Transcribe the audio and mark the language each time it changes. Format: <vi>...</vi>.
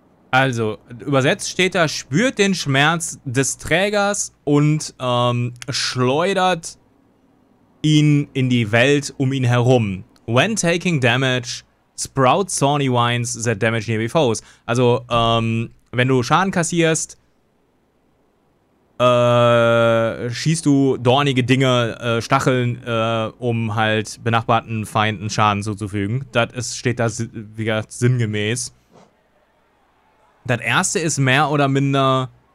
<de>Also, übersetzt steht da, spürt den Schmerz des Trägers und schleudert ihn in die Welt um ihn herum.</de> <en>When taking damage, sprout thorny vines that damage nearby foes.</en> <de>Also, wenn du Schaden kassierst, schießt du dornige Dinge, Stacheln, um halt benachbarten Feinden Schaden zuzufügen. Das steht da wieder sinngemäß. Das erste ist mehr oder minder...</de>